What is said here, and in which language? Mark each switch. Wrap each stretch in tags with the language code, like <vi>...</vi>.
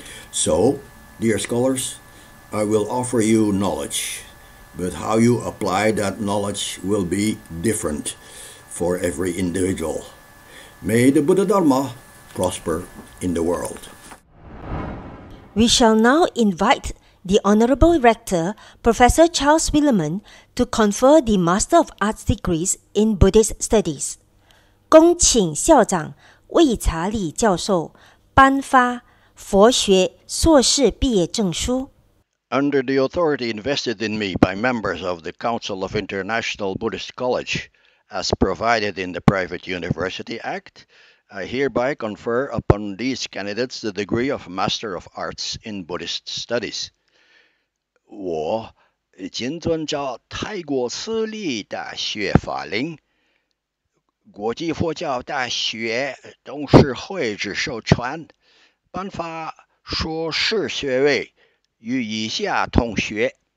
<en>So, dear scholars, I will offer you knowledge, but how you apply that knowledge will be different for every individual. May the Buddha Dharma prosper in the world. We shall now invite the Honorable Rector, Professor Charles Willeman, to confer the Master of Arts degrees in Buddhist Studies.</en> <zh>恭请校长魏查理教授颁发佛学硕士毕业证书。</zh> <en>Under the authority invested in me by members of the Council of International Buddhist College, as provided in the Private University Act, I hereby confer upon these candidates the degree of Master of Arts in Buddhist Studies.</en> <zh>我谨遵照泰国私立大学法令，国际佛教大学董事会之授权，颁发硕士学位与以下同学。</zh>